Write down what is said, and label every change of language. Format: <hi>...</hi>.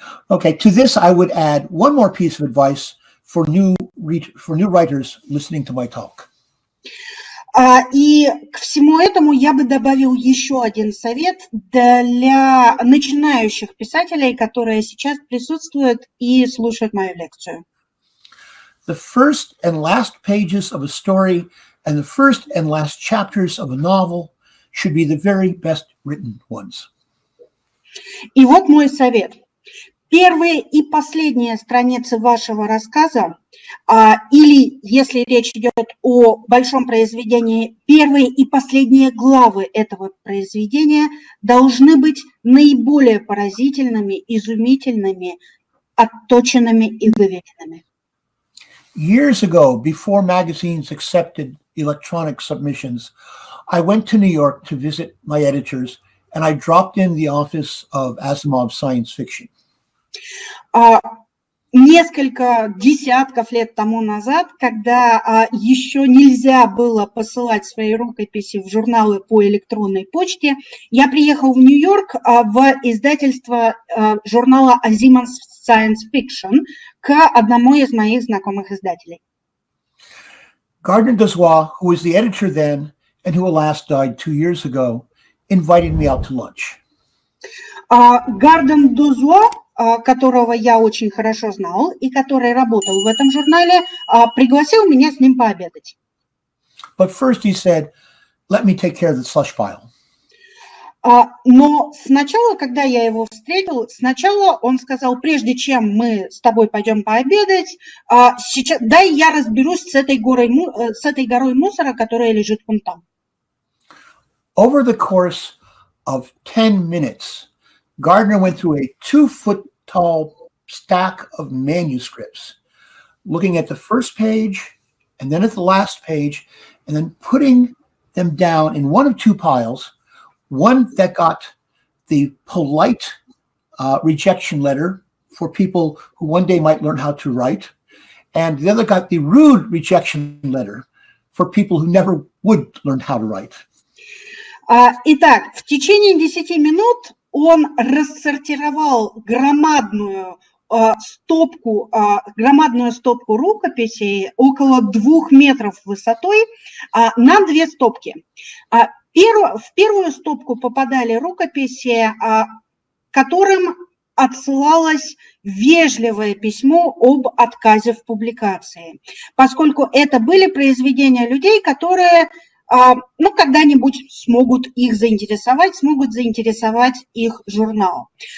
<en>Okay, to this I would add one more piece of advice for new writers listening to my talk.</en> <ru>И к всему этому я бы добавил еще один совет для начинающих писателей, которые сейчас присутствуют и слушают мою лекцию.</ru> <en>The first and last pages of a story and the first and last chapters of a novel should be the very best written ones.</en> <ru>И вот мой совет. Первые и последние страницы вашего рассказа, или, если речь идет о большом произведении, первые и последние главы этого произведения должны быть наиболее поразительными, изумительными, отточенными и выверенными.</ru> <en>Years ago, before magazines accepted electronic submissions, I went to New York to visit my editors, and I dropped in the office of Asimov Science Fiction.</en> <ru>несколько десятков лет тому назад, когда еще нельзя было посылать свои рукописи в журналы по электронной почте, я приехал в Нью-Йорк в издательство журнала «Азимонс Science Fiction» к одному из моих знакомых издателей.</ru> <en>Gardner Dozois, who was the editor then and who alas died 2 years ago, invited me out to lunch.</en> <ru>Gardner Dozois, которого я очень хорошо знал и который работал в этом журнале, пригласил меня с ним пообедать.</ru> <en>But first he said, let me take care of the slush pile.</en> <ru>Но сначала, когда я его встретил, сначала он сказал, прежде чем мы с тобой пойдем пообедать, сейчас, дай я разберусь с этой горой мусора, которая лежит вон там.</ru> <en>Over the course of 10 minutes, Gardner went through a 2-foot tall stack of manuscripts, looking at the first page and then at the last page, and then putting them down in one of two piles, one that got the polite rejection letter for people who one day might learn how to write, and the other got the rude rejection letter for people who never would learn how to write.</en> <ru>Итак, в течение 10 минут он рассортировал громадную стопку рукописей около 2 метров высотой на 2 стопки. В первую стопку попадали рукописи, которым отсылалось вежливое письмо об отказе в публикации, поскольку это были произведения людей, которые ну, когда-нибудь смогут заинтересовать их журнал.</ru>